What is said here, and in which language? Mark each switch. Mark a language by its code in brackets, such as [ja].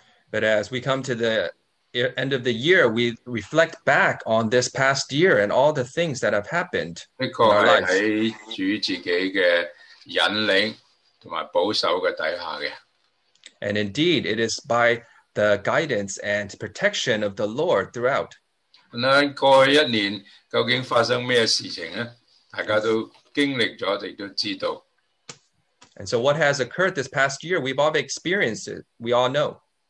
[en] But as we come to the end of the year, we reflect back on this past year and all the things that have happened in our lives. [zh] 这个是在主自己的引领和保守的底下的。 [en] And indeed, it is by the guidance and protection of the Lord throughout. [zh] 那过去一年究竟发生什么事情呢? 大家都经历了,也都知道。 [en] And so what has occurred this past year, we've all experienced it, we all know.